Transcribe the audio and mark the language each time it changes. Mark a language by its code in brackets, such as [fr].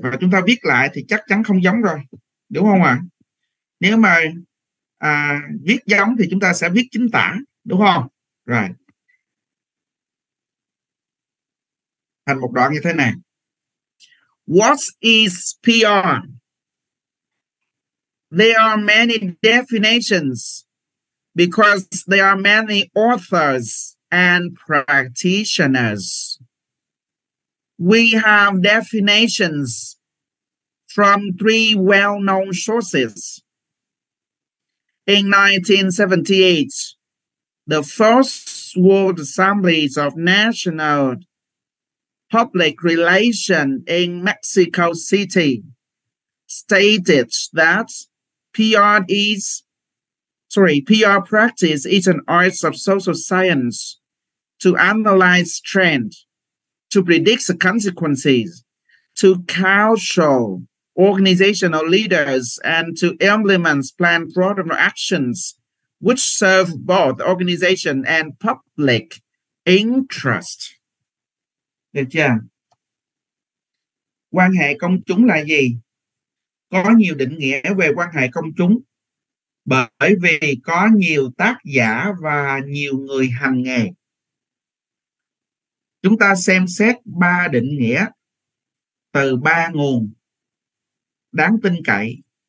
[vi] Và chúng ta viết lại thì chắc chắn không giống rồi. Đúng không ạ? Nếu mà viết giống thì chúng ta sẽ viết chính tả. Đúng không? Rồi. Thành một đoạn như thế này. [en] What is PR? There are many definitions because there are many authors and practitioners. We have definitions from three well-known sources. In 1978, the first World Assemblies of National Public Relations in Mexico City stated that PR practice is an art of social science to analyze trend, to predict the consequences, to counsel organizational leaders, and to implement planned program actions which serve both organization and public interest. [vi] Được chưa? Quan hệ công chúng là gì? Có nhiều định nghĩa về quan hệ công chúng bởi vì có nhiều tác giả và nhiều người hành nghề. Chúng ta xem xét ba định nghĩa từ ba nguồn đáng tin cậy.